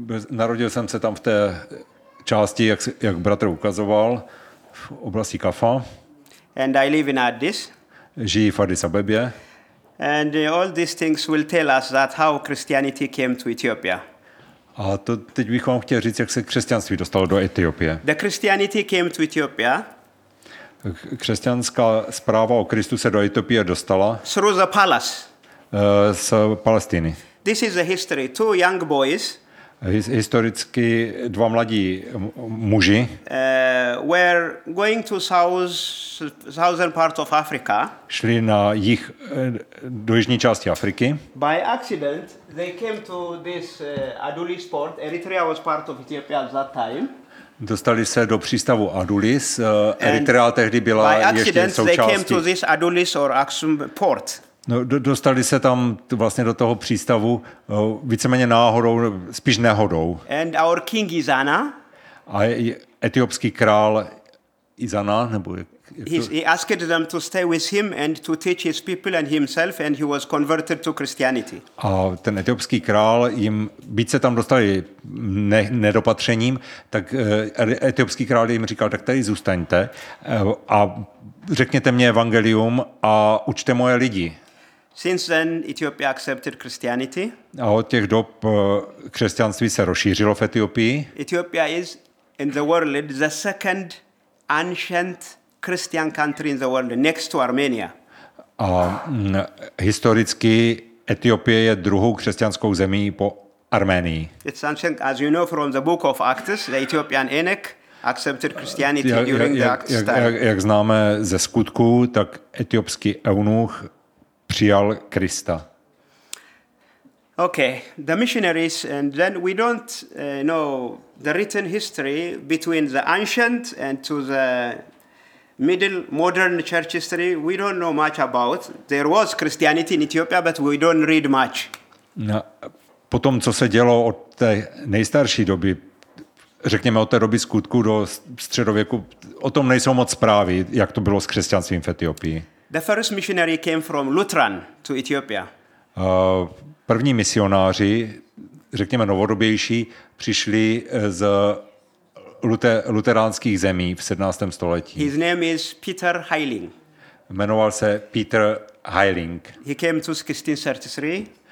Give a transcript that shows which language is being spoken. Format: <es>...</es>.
<cs>Narodil jsem se tam v té části, jak bratr ukazoval, v oblasti Kaffa.</cs> <en>And I live in Addis.</en> <cs>Žijí v Addis Abebě.</cs> <en>And all these things will tell us that how Christianity came to Ethiopia.</en> <cs>A to teď bych vám chtěl říct, jak se křesťanství dostalo do Etiopie.</cs> <en>The Christianity came to Ethiopia.</en> <cs>Křesťanská zpráva o Kristu se do Etiopie dostala.</cs> <en>Through the palace.</en> <cs>Z Palestiny.</cs> <en>This is the history. Two young boys.</en> <cs>Historicky dva mladí muži.</cs> <en>Were going to southern part of Africa.</en> <cs>Šli na jih do jižní části Afriky.</cs> <en>By accident, they came to this Adulis port. Eritrea was part of Ethiopia at that time.</en> <cs>Dostali se do přístavu Adulis. Eritrea tehdy byla ještě součástí.</cs> <en>They came to this Adulis or Aksum port.</en> <cs>No, dostali se tam vlastně do toho přístavu víceméně náhodou, spíš nehodou.</cs> <en>And our king Izana.</en> <cs>A etiopský král Izana, nebo</cs> <en>he asked them to stay with him and to teach his people and himself, and he was converted to Christianity.</en> <cs>A ten etiopský král jim, byť se tam dostali nedopatřením, tak etiopský král jim říkal, tak tady zůstaňte a řekněte mě evangelium a učte moje lidi.</cs> <en>Since then, Ethiopia accepted Christianity.</en> <cs>A od těch dob křesťanství se rozšířilo v Etiopii.</cs> <en>Ethiopia is in the world the second ancient Christian country in the world, next to Armenia.</en> <cs>A historicky Etiopie je druhou křesťanskou zemí po Arménii.</cs> <en>It's ancient, as you know from the book of Acts, the Ethiopian Enoch accepted Christianity during the Acts time.</en> <cs>Jak známe ze skutků, tak etiopský eunuch přijal Krista.</cs> <en>Okay, the missionaries, and then we don't know the written history between the ancient and to the middle modern church history. We don't know much about. There was Christianity in Ethiopia, but we don't read much.</en> <cs>No, potom, co se dělo od té nejstarší doby, řekněme od té doby skutku do středověku, o tom nejsou moc zprávy, jak to bylo s křesťanstvím v Etiopii.</cs> <en>The first missionary came from Lutran to Ethiopia.</en> <cs>První misionáři, řekněme novodobější, přišli z luteránských zemí v 17. století.</cs> <en>His name is Peter Heiling.</en> <cs>Jmenoval se Peter Heiling.</cs> <en>He came to 1633.</en>